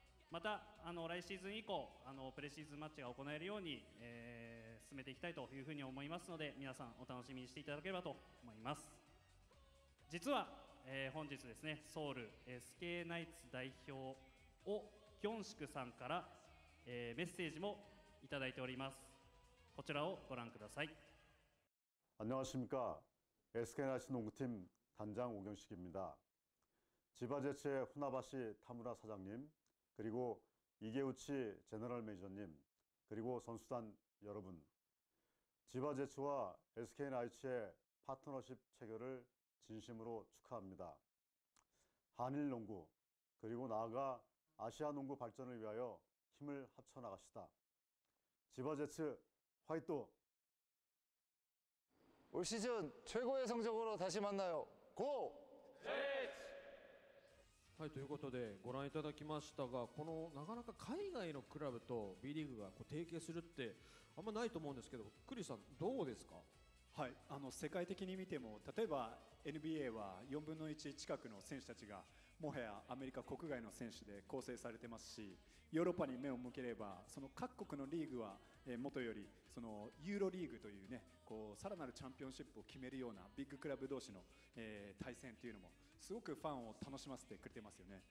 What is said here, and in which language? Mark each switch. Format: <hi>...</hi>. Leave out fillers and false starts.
<ja>また来シーズン以降プレシーズンマッチが行えるように、進めていきたいというふうに思いますので、皆さんお楽しみにしていただければと思います。実は本日ですね、ソウル SK ナイツ代表をギョンシクさんから、メッセージもいただいております。こちらをご覧ください。</ja> <ko>안녕하십니까 SK 나이츠 농구팀 단장 오경식입니다. 지바제츠의 후나바시 타무라 사장님, 그리고 이게우치 제너럴 매니저님, 그리고 선수단 여러분. 지바제츠와 SK 나이츠의 파트너십 체결을진심으로축하합니다. 한일 농구, 그리고 나아가 아시아 농구 발전을 위하여 힘을 합쳐 나가시다. 지바제츠화이또! 올 시즌 최고의 성적으로 다시 만나요. 고! 제츠!</ko> <ja>하이, ということで ご覧いただきましたが、このなかなか海外のクラブと B リーグがこう提携するってあんまないと思うんですけど、クリさんどうですか？はい、世界的に見ても、例えば NBA は4分の1近くの選手たちがもはやアメリカ国外の選手で構成されてますし、ヨーロッパに目を向ければその各国のリーグは元よりそのユーロリーグというね、こうさらなるチャンピオンシップを決めるようなビッグクラブ同士の対戦というのもすごくファンを楽しませてくれてますよね。</ja>